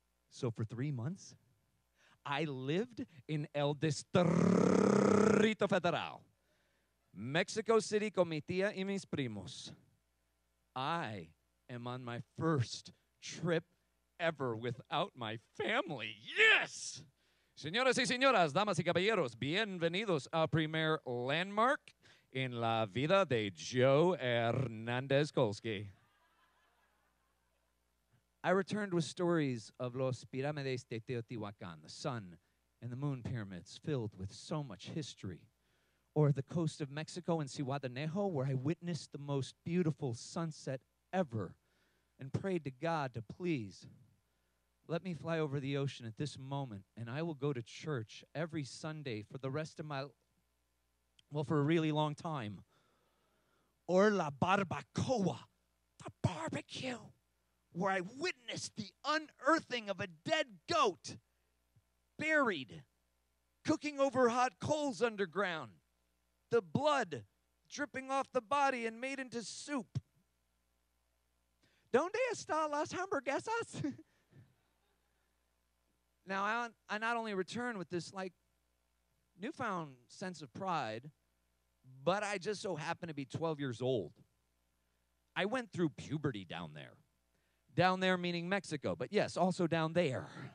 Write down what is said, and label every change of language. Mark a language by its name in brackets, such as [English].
[English] So for 3 months, I lived in El Distrito Federal, Mexico City, [Spanish] con mi tía y mis primos. [English] I am on my first trip ever without my family. Yes! [Spanish] Señoras y señoras, damas y caballeros, bienvenidos a Primer Landmark en la vida de Joe Hernandez Kolski. [English] I returned with stories of Los Pirámides de Teotihuacan, the sun and the moon pyramids filled with so much history, or the coast of Mexico in Zihuatanejo, where I witnessed the most beautiful sunset ever and prayed to God to please let me fly over the ocean at this moment, and I will go to church every Sunday for the rest of my, well, for a really long time. Or la barbacoa, the barbecue, where I witnessed the unearthing of a dead goat buried, cooking over hot coals underground, the blood dripping off the body and made into soup. [Spanish] ¿Dónde está las hamburguesas? [English] Now, I not only return with this, like, newfound sense of pride, but I just so happen to be 12 years old. I went through puberty down there. Down there meaning Mexico, but yes, also down there.